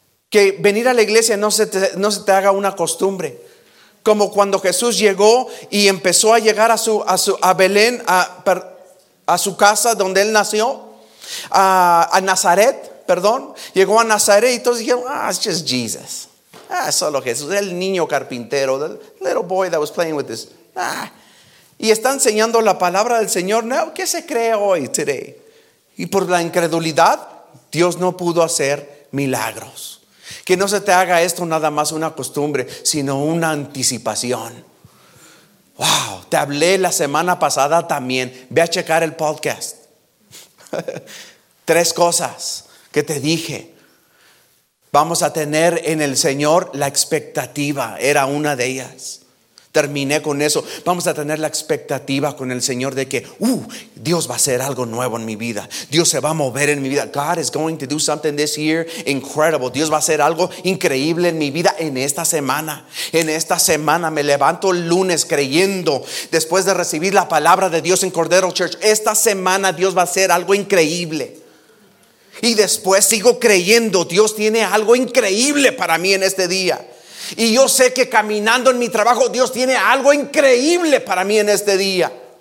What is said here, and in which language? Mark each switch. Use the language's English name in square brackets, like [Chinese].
[Spanish] Que venir a la iglesia no se te haga una costumbre. Como cuando Jesús llegó y empezó a llegar a Belén, a su casa donde él nació, a Nazaret. Llegó a Nazaret y todos dijeron, [English] it's just Jesus. [Spanish] Es solo Jesús, el niño carpintero, [English] the little boy that was playing with this. [Spanish] Y está enseñando la palabra del Señor. No, ¿qué se cree hoy, today? Y por la incredulidad, Dios no pudo hacer milagros. Que no se te haga esto nada más una costumbre, sino una anticipación. Wow, te hablé la semana pasada también. Ve a checar el podcast. Tres cosas que te dije. Vamos a tener en el Señor la expectativa. Era una de ellas. Terminé con eso. Vamos a tener la expectativa con el Señor de que Dios va a hacer algo nuevo en mi vida. Dios se va a mover en mi vida. [English] God is going to do something this year incredible. [Spanish] Dios va a hacer algo increíble en mi vida en esta semana. En esta semana me levanto el lunes creyendo, después de recibir la palabra de Dios en Cordero Church. Esta semana Dios va a hacer algo increíble. Y después sigo creyendo. Dios tiene algo increíble para mí en este día. Y yo sé que caminando en mi trabajo, Dios tiene algo increíble para mí en este día.